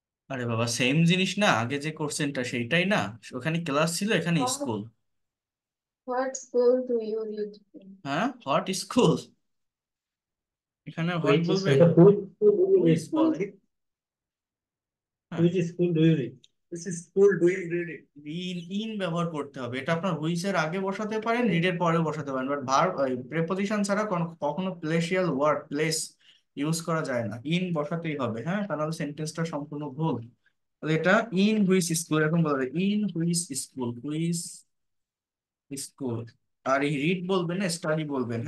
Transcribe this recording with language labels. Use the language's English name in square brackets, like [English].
[Bangla] আরে বাবা, সেম জিনিস না আগে যে কোশ্চেনটা, সেইটাই না? ওখানে ক্লাস ছিল, এখানে school. [English] What school do you read in? হ্যাঁ, what school, [Bangla] এখানে [English] what Which [Bangla] বলবে? [English] school do you which school? [Bangla] বলে। হ্যাঁ, [English] Which school do you read? Which school do you read in? [Bangla] In ব্যবহার করতে হবে, এটা আপনার হুইচ এর আগে বসাতে পারেন, রিড এর পরে বসাতে পারেন, বাট ভার্ব প্রেপোজিশন ছাড়া কখনো প্লেসিয়াল ওয়ার্ড, প্লেস ইউজ করা যায় না, ইন বসাতেই হবে। হ্যাঁ, তাহলে সেন্টেন্সটা সম্পূর্ণ ভুল। এটা [English] in which school, [Bangla] এরকম বলা যায় in which school, which school, আর এই রিড বলবেন না, স্টাডি বলবেন।